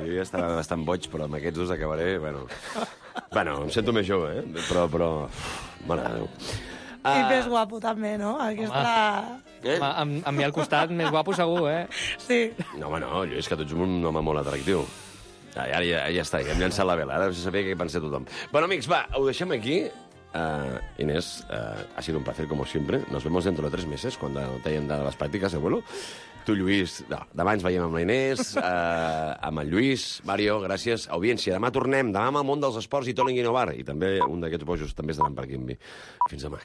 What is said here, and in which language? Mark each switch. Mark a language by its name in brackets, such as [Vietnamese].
[Catalan] Jo ja estava bastant boig, però amb aquests dos acabaré, em sento més jove, eh? Però... Mare de Déu. I més guapo, també, no? Aquesta... Amb mi al costat, més guapo, segur, eh? Sí. No, Lluís, que tu ets un home molt atractiu. Ja està, ja hem llançat la vela. Ara no sé saber què pensa tothom. Bueno, amics, va, ho deixem aquí. [Spanish] Inés, ha sido un placer, como siempre. Nos vemos dentro de 3 meses, cuando te hayan dado las prácticas de vuelo. [Catalan] Tu, Lluís, no, demà ens veiem amb la Inés, amb el Lluís. Mario, gràcies. Audiència, demà tornem. Demà amb el món dels esports i Toni Guinovart. I també un d'aquests bojos també estaran per aquí amb mi. Fins demà.